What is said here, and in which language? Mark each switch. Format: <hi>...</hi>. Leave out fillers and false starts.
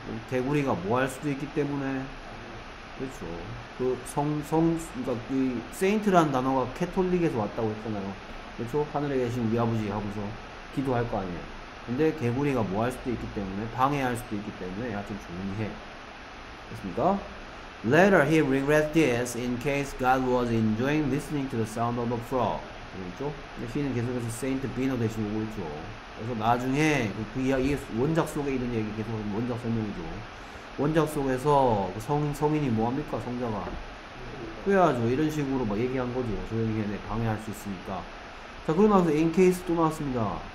<ko>개구리가 뭐할 수도 있기 때문에. 그렇죠. 그 그러니까 그 세인트라는 단어가 캐톨릭에서 왔다고 했잖아요. 그렇죠? 하늘에 계신 우리 아버지 하고서 기도할 거 아니에요. 근데 개구리가 뭐할 수도 있기 때문에, 방해할 수도 있기 때문에 야좀 조용히 해. 됐습니까?</ko> <en>Later he regrets this in case God was enjoying listening to the sound of the frog.</en> <ko>그렇죠? He는 계속해서 세인트 비노 대신 오고 있죠. 그래서 나중에 원작 속에 이런 얘기 계속 원작 설명이죠. 원작 속에서 성인이 뭐합니까? 성자가 후회하죠. 이런 식으로 막 얘기한 거죠. 조용히 해내 방해할 수 있으니까. 자, 그러고 나서 in case 또 나왔습니다.</ko>